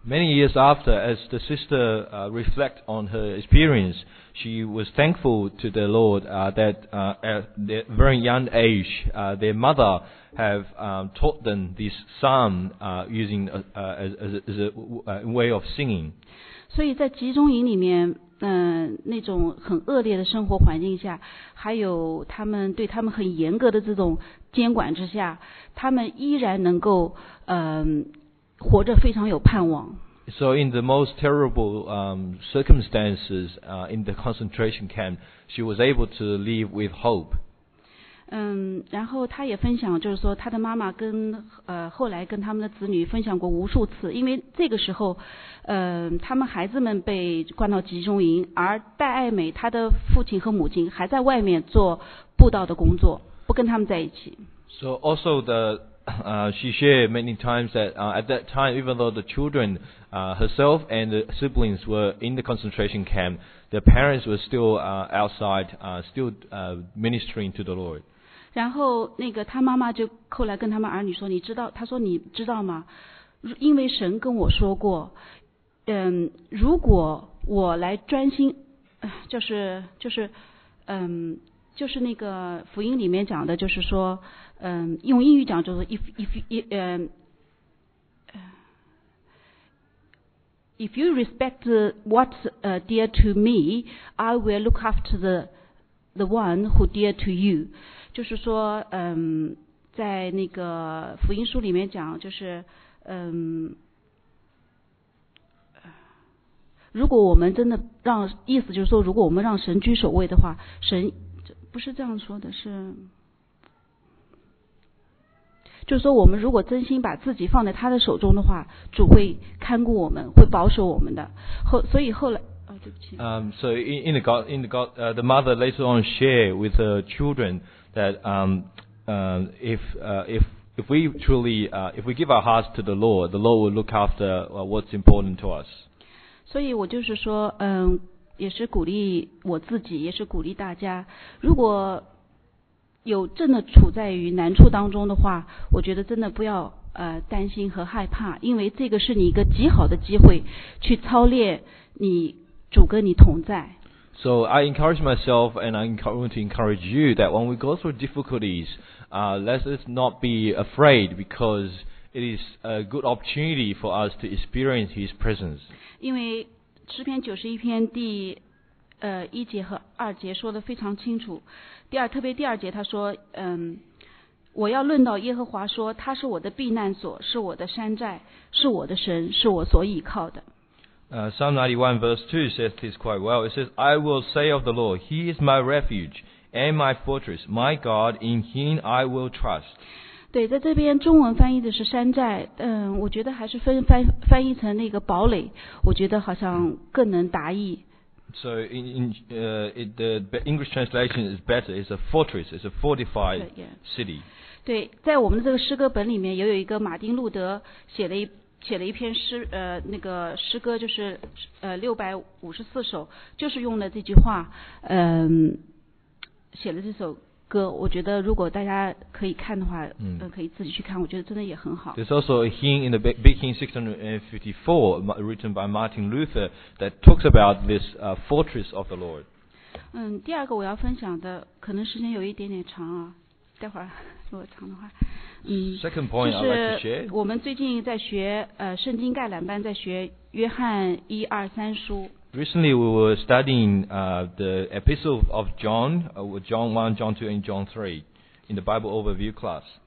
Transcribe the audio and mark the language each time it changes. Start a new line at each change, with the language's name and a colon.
English: Many years after, as the sister reflect on her experience, she was thankful to the Lord that at the very young age, their mother have taught them this psalm using as a way of singing.
Chinese: 所以在集中营里面，那种很恶劣的生活环境下，还有他们对他们很严格的这种监管之下，他们依然能够活着非常有盼望。
English: So in the most terrible circumstances in the concentration camp, she was able to live with hope.
Chinese: 然后她也分享，就是说她的妈妈跟后来跟他们的子女分享过无数次，因为这个时候，他们孩子们被关到集中营，而戴爱美她的父亲和母亲还在外面做布道的工作，不跟他们在一起。
English: So also she shared many times that at that time, even though the children, herself and the siblings were in the concentration camp, their parents were still outside, still ministering to the Lord.
Chinese: 然后那个他妈妈就后来跟他们儿女说，你知道，他说你知道吗？因为神跟我说过，如果我来专心，就是那个福音里面讲的，就是说。用英语讲就是
English: if you respect what's dear to me, I will look after the one who dear to you.
Chinese: 就是说，在那个福音书里面讲，就是如果我们真的让，意思就是说，如果我们让神居首位的话，神不是这样说的，是。就是说我们如果真心把自己放在他的手中的话，主会看顾我们，会保守我们的。所以后来
English: So the mother later on share with her children that if we give our hearts to the Lord, the Lord will look after what's important to us.
Chinese: 所以我就是说也是鼓励我自己，也是鼓励大家，如果有真的处在于难处当中的话，我觉得真的不要担心和害怕，因为这个是你一个极好的机会去操练你主跟你同在。
English: So I encourage myself and I want to encourage you that when we go through difficulties, let us not be afraid because it is a good opportunity for us to experience His presence.
Chinese: 因为诗篇九十一篇第一节和二节说得非常清楚。第二，特别第二节，他说：“我要论到耶和华说，他是我的避难所，是我的山寨，是我的神，是我所倚靠的。”
English: Psalm 91 verse 2 says this quite well. It says, I will say of the Lord, He is my refuge and my fortress, my God, in Him I will trust.
Chinese: 对，在这边中文翻译的是山寨，我觉得还是翻译成那个堡垒，我觉得好像更能达意。
English: So the English translation is better. It's a fortress. It's a fortified city.
Chinese: 对，在我们的这个诗歌本里面，也有一个马丁路德写了一篇诗，那个诗歌就是654首，就是用了这句话，写了这首。我觉得如果大家可以看的话，可以自己去看，我觉得真的也很好。
English: There's also a hymn in the Big Hymn 654 written by Martin Luther that talks about this fortress of the Lord.
Chinese: 第二个我要分享的，可能时间有一点点长啊，待会儿如果长的话，
English: Second point
Chinese: 就是我们最近在学圣经概览班，在学约翰一二三书。
English: Recently, we were studying the epistle of John, John 1, John 2, and John 3 in the Bible overview class.